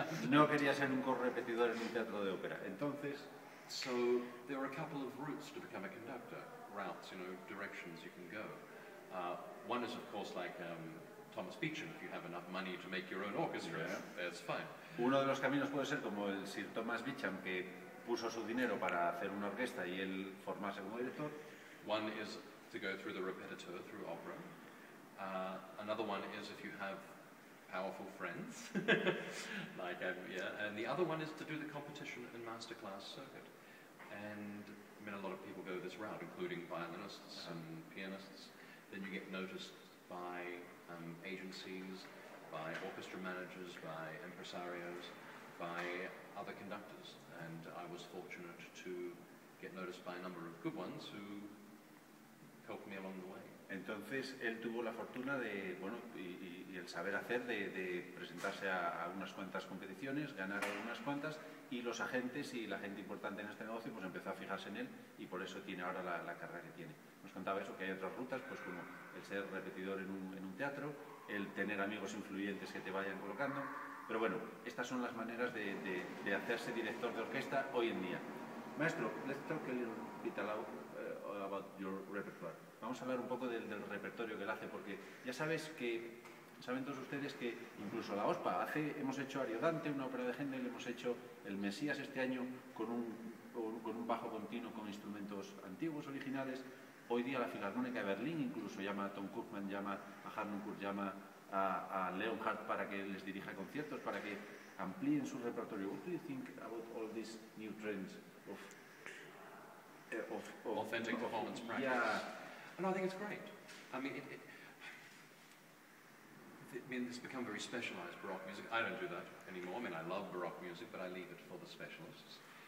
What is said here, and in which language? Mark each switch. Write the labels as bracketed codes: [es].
[es] No quería ser un correpetidor en un teatro de ópera. Entonces, [en] so there are a couple of routes to become a conductor, routes, you know, directions you can go. One is, of course, like Thomas Beecham. If you have enough money to make your own orchestra, that's fine. [es] Uno de los caminos puede ser como el Sir Thomas Beecham, que puso su dinero para hacer una orquesta y él formarse como director. [en] One is to go through the repetiteur, through opera. Another one is if you have powerful friends, and the other one is to do the competition and masterclass circuit. And I mean, a lot of people go this route, including violinists and pianists. Then you get noticed by agencies, by orchestra managers, by impresarios, by other conductors. And I was fortunate to get noticed by a number of good ones who helped me along the way. [es] Entonces, él tuvo la fortuna de, bueno, y el saber hacer de presentarse a unas cuantas competiciones, ganar algunas cuantas, y los agentes y la gente importante en este negocio pues empezó a fijarse en él, y por eso tiene ahora la carrera que tiene. Nos contaba eso, que hay otras rutas, pues como el ser repetidor en un teatro, el tener amigos influyentes que te vayan colocando, pero bueno, estas son las maneras de hacerse director de orquesta hoy en día. [en] Maestro, let's talk a little bit about your repertoire. [es] Vamos a hablar un poco del repertorio que él hace, porque ya saben todos ustedes que incluso la OSPA hemos hecho Ariodante, una ópera de Händel, hemos hecho el Mesías este año con un bajo continuo con instrumentos antiguos, originales. Hoy día la Filarmónica de Berlín incluso llama a Tom Kuchman, llama a Harnum Kurt, llama a Leonhard para que les dirija conciertos, para que amplíen su repertorio. [en] What do you think about all these new trends of authentic performance practice? Yeah. No, I think it's great. I mean, it's become very specialized Baroque music. I don't do that anymore. I mean, I love Baroque music, but I leave it for the specialists.